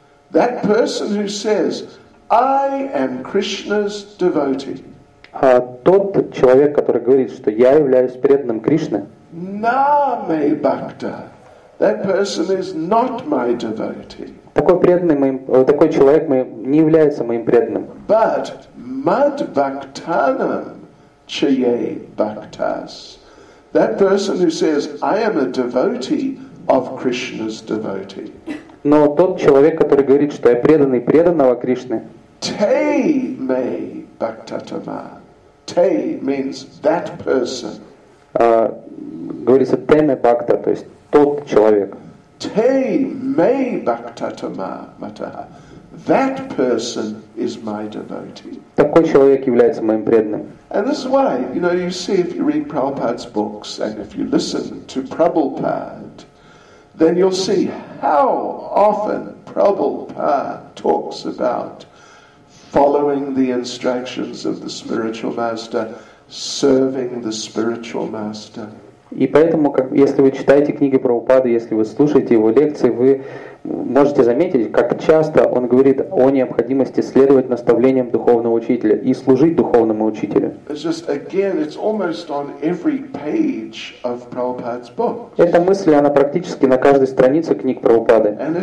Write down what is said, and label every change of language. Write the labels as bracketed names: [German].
[English] That person who says, I am Krishna's devotee. [Russian] Тот человек, который говорит, что я являюсь преданным Кришны. [Sanskrit] Na me bhakta. [English] That person is not my devotee. [Russian] Такой преданный моим, такой человек не является моим преданным. [Sanskrit] But mad bhaktanam. Chaye Bhaktas. [English] That person who says, I am a devotee of Krishna's devotee. [Russian] Но тот человек, который говорит, что я преданный преданного Кришны. [Sanskrit] Te me Bhaktatama. [English] Te means that person. [Russian] Говорится [Sanskrit] te me Bhakta, [Russian] то есть тот человек. [Sanskrit] Te me Bhaktatama Mataha. [English] That person is my devotee. [Russian] Такой человек является моим преданным. [English] And this is why, you know, you see if you read Prabhupada's books and if you listen to Prabhupada, then you'll see how often Prabhupada talks about following the instructions of the spiritual master, serving the spiritual master. [Russian] И поэтому, если вы читаете книги Прабхупады, если вы слушаете его лекции, вы можете заметить, как часто он говорит о необходимости следовать наставлениям духовного учителя и служить духовному учителю. Эта мысль, она практически на каждой странице книг Прабхупады.